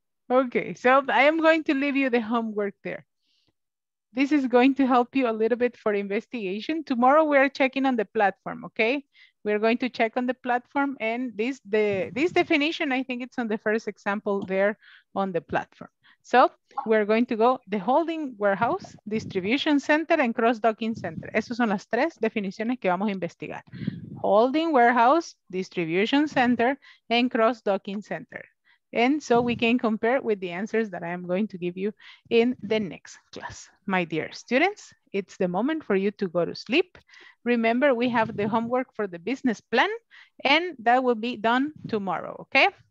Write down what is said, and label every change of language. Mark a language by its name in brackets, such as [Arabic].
[English] Okay, so I am going to leave you the homework there. This is going to help you a little bit for investigation. Tomorrow we are checking on the platform, okay? We are going to check on the platform and this definition, I think it's on the first example there on the platform. So we're going to go the holding warehouse, distribution center and cross docking center. [Spanish] Esas son las tres definiciones que vamos a investigar. [English] Holding warehouse, distribution center and cross docking center. And so we can compare with the answers that I am going to give you in the next class. My dear students, it's the moment for you to go to sleep. Remember, we have the homework for the business plan and that will be done tomorrow, okay?